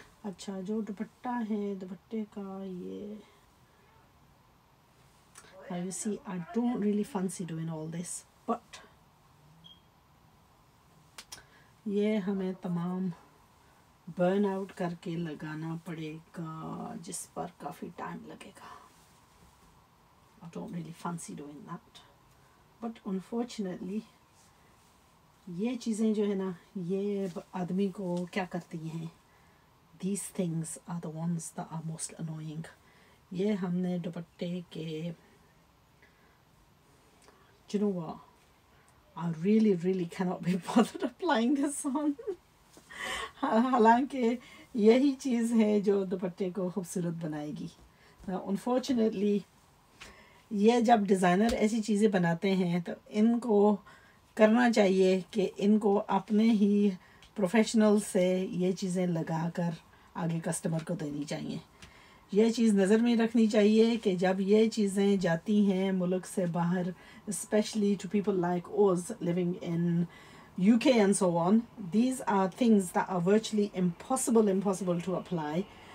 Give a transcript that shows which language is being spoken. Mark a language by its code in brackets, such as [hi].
[hi] अच्छा जो दुपट्टा है दुपट्टे का ये [en] Now you see, I don't really fancy doing all this, but [hi] ये हमें तमाम burn out करके लगाना पड़ेगा, जिस पर काफी time लगेगा. [en] I don't really fancy doing that, but unfortunately, [hi] ये चीजें जो है ना, ये आदमी को क्या करती हैं? [en] These things are the ones that are most annoying. [hi] ये हमने दुपट्टे के [en] Do you know what? I really, really cannot be bothered applying this on. [hi] हालांकि यही चीज है जो दुपट्टे को खूबसूरत बनाएगी. [en] Now, unfortunately, [hi] ये जब डिजाइनर ऐसी चीजें बनाते हैं तो इनको करना चाहिए कि इनको अपने ही प्रोफेशनल से ये चीजें लगाकर आगे कस्टमर को देनी चाहिए. ये चीज़ नज़र में रखनी चाहिए कि जब ये चीज़ें जाती हैं मुल्क से बाहर [en] Specially to people like those living in UK and so on, these are things that are virtually impossible to apply.